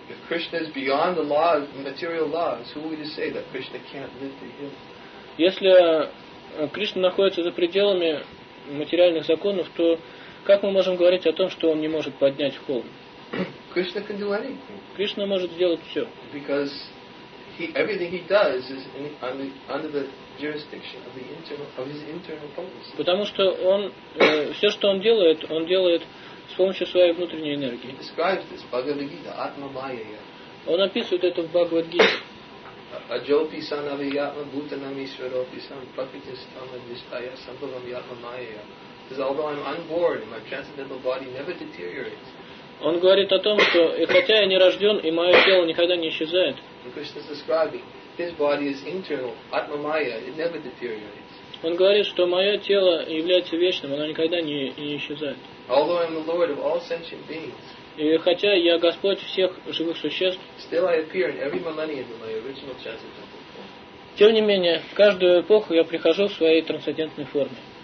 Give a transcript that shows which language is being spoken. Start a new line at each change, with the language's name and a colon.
English: If Krishna is beyond the law of material laws, who are we to say that Krishna can't live to him?
Russian: Если Кришна находится за пределами материальных законов, то как мы можем говорить о том, что он не может поднять холм?
English: Krishna can do anything.
Russian: Кришна может сделать все.
English: Because everything he does is under the jurisdiction of his internal potency.
Russian: Потому что он все, что он делает с помощью своей внутренней энергии.
English: He describes this Bhagavad Gita, Atma Maya.
Russian: Он описывает это в Bhagavad Gita.
Sanskrit: Ajopi sanavi yatma bhutanami svaropi sam prakritistama dhistaya sambhavam yatma mayaya.
English: Because although I'm unborn, my transcendental body never deteriorates.
Russian: Он говорит о том, что и хотя я не рожден, и мое тело никогда не исчезает.
English: Krishna is describing his body is internal, atma maya, it never deteriorates.
Russian: Он говорит, что мое тело является вечным, оно никогда не исчезает.
English: Although I'm the Lord of all sentient beings.
Russian: И хотя я Господь всех живых существ,
English: still I appear in every millennium in my original transcendental form.
Russian: Тем не менее, в каждую эпоху я прихожу в своей трансцендентной форме.